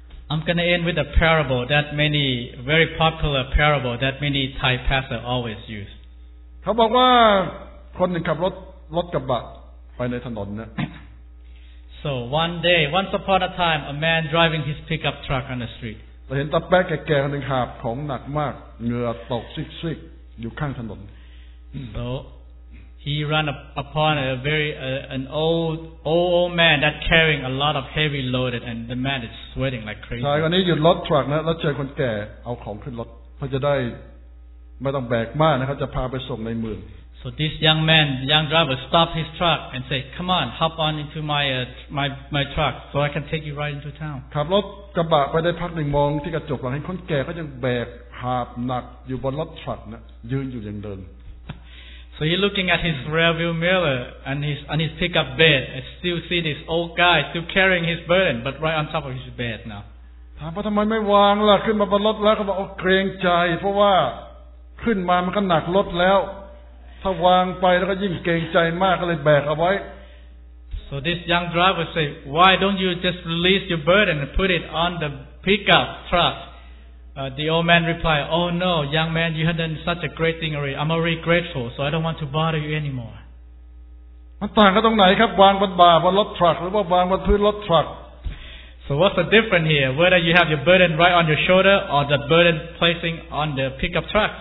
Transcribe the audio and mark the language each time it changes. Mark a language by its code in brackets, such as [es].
[en] I'm going to end with a parable that many very popular parable that many Thai pastors always use. [th] เขาบอกว่าคนหนึ่งขับรถกระบะไปในถนนนะ [en] So one day, once upon a time, a man driving his pickup truck on the street. [th] เห็นตาแป๊ะแก่ๆคนหนึ่งขับของหนักมากเหงื่อตกซิกๆอยู่ข้างถนน [en] So he ran upon a very an old man that carrying a lot of heavy loaded, and the man is sweating like crazy. [th] ชายคนนี้หยุดรถทรัคนะแล้วเจอคนแก่เอาของขึ้นรถเพื่อจะได้ไม่ต้องแบกมากนะครับจะพาไปส่งในเมือง [en] So this young man, young driver, stopped his truck and said, "Come on, hop on into my truck, so I can take you right into town." [th] ขับรถกระบะไปได้พักหนึ่งมองที่กระจกหลังเห็นคนแก่ก็ยังแบกหาบหนักอยู่บนรถทรัคนะยืนอยู่ยังเดิน [en] So he looking at his rearview mirror and his pickup bed and still see this old guy still carrying his burden, but right on top of his bed now. [th] ถามว่าทำไมไม่วางล่ะขึ้นมาบนรถแล้วก็บอกเกรงใจเพราะว่าขึ้นมามันก็หนักรถแล้วถ้าวางไปแล้วก็ยิ่งเกรงใจมากก็เลยแบกเอาไว้ [en] So this young driver say why don't you just release your burden and put it on the pickup truck the old man reply oh no young man you have done such a great thing already I'm already grateful so I don't want to bother you anymore [th] มันต่างกันตรงไหนครับวางบนบ่าบนรถทรัคหรือว่าวางบนพื้นรถทรัค [en] So what's the difference here? Whether you have your burden right on your shoulder or the burden placing on the pickup truck